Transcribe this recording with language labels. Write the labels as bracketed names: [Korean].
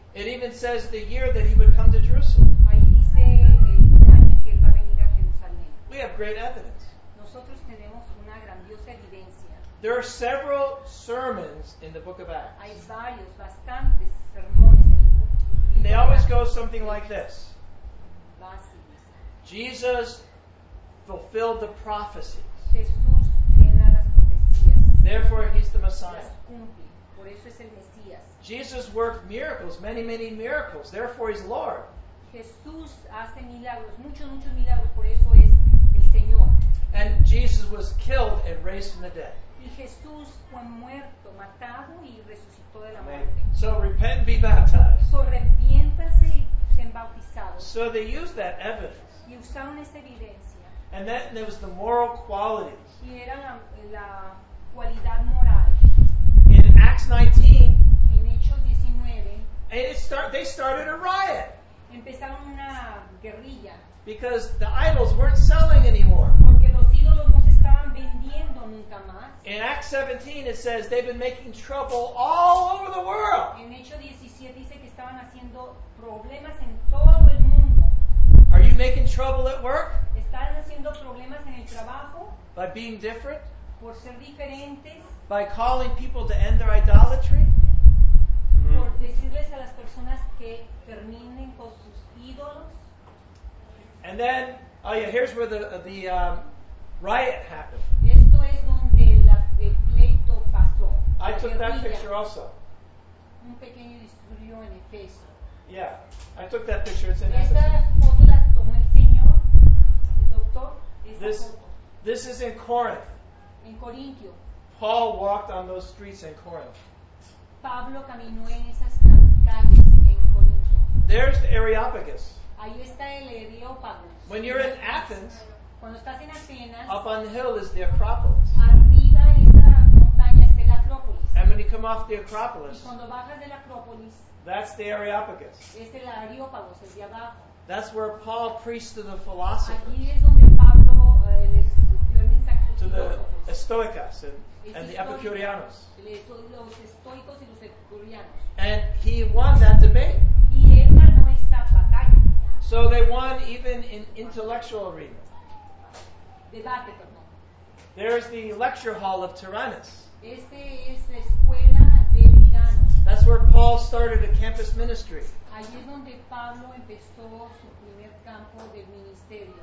[English] It even says the year that he would come to Jerusalem. [Spanish] Ahí dice el año que él va a venir a Jerusalén. [English] We have great evidence. [Spanish] Nosotros tenemos una grandiosa evidencia. [English] There are several sermons in the book of Acts. [Spanish] Hay varios, bastantes sermones. [English] They always go something like this. Jesus fulfilled the prophecies. [Spanish] Jesús llena las profecías. [English] Therefore, he's the Messiah. [Spanish] Las cumple. Por eso es el Mesías. [English] Jesus worked miracles, many, many miracles. Therefore, he's Lord. [Spanish] Jesús hace milagros, muchos, muchos milagros. Por eso es el Señor. [English] And Jesus was killed and raised from the dead. [Spanish] Y Jesús fue muerto, matado y resucitó de la muerte. [English] So repent and be baptized. [Spanish] So arrepiéntanse y sean bautizados. [English] So they used that evidence. [Spanish] Y usaron esta evidencia. [English] And that there was the moral qualities. [Spanish] Y era la cualidad moral. [English] In Acts 19. [Spanish] En Hechos 19. [English] And it start, they started a riot. [Spanish] Empezaron una guerrilla. [English] Because the idols weren't selling anymore. [Spanish] Porque los ídolos no se estaban vendiendo nunca más. [English] In Acts 17 it says they've been making trouble all over the world. [Spanish] En Hechos 17 dice que estaban haciendo problemas en todo el mundo. [English] Are you making trouble at work? [Spanish] ¿Están haciendo problemas en el trabajo? [English] By being different? [Spanish] Por ser diferentes? [English] By calling people to end their idolatry? [Spanish] Por decirles a las personas que terminen con sus ídolos. [English] And then, oh yeah, here's where the riot happened. [Spanish] Esto es donde la, el pleito pasó. [English] I took that picture also. [Spanish] Un pequeño disturbio en Efeso. [English] Yeah, I took that picture. It's in [Spanish] Esta foto la tomó el señor, el doctor. [English] This is in Corinth. [Spanish] En Corintio. [English] Paul walked on those streets in Corinth. [Spanish] Pablo caminó en esas calles en Corinto. [English] There's the Areopagus. [Spanish] Ahí está el Areópago. [English] When you're in Athens, [Spanish] cuando estás en Atenas, [English] up on the hill is the Acropolis. [Spanish] Arriba esta montaña está la Acrópolis. [English] And when you come off the Acropolis, [Spanish] y cuando bajas de la Acrópolis, [English] that's the Areopagus. [Spanish] Es el Areópagos, el de abajo. [English] That's where Paul preached to the philosophers. [Spanish] Allí es donde Pablo les dio el mensaje [English] to the Estoicos and the Epicureanos. [Spanish] Los Estoicos y los Epicureanos. [English] And he won that debate. [Spanish] Y él ganó esa batalla. [English] So they won even in intellectual arena. [Spanish] Debate, [English] there's the lecture hall of Tyrannus. [Spanish] Este es la escuela de Tirano. [English] That's where Paul started a campus ministry. [Spanish] Allí es donde Pablo empezó su primer campo de ministerio.